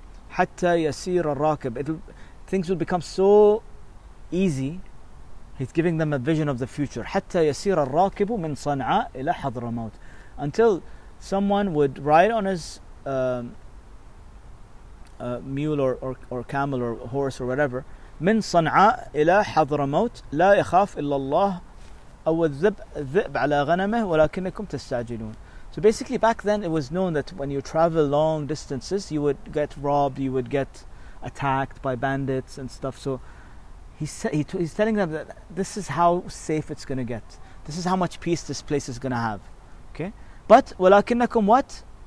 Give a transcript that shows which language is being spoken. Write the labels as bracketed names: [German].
[Arabic] Hatta yasir al-raqib. [English] Things will become so easy. He's giving them a vision of the future. [Arabic] Hatta yasir al-raqib min Sana'a ila Hadramaut. [English] Until someone would ride on his mule or camel or horse or whatever. [Arabic] من صنعاء إلى حضرموت لا يخاف إلا الله أو الذئب على غنمه ولكنكم تستعجلون. [English] So basically back then it was known that when you travel long distances you would get robbed, you would get attacked by bandits and stuff. So he's telling them that this is how safe it's going to get. This is how much peace this place is going to have. Okay, but ولكنكم what?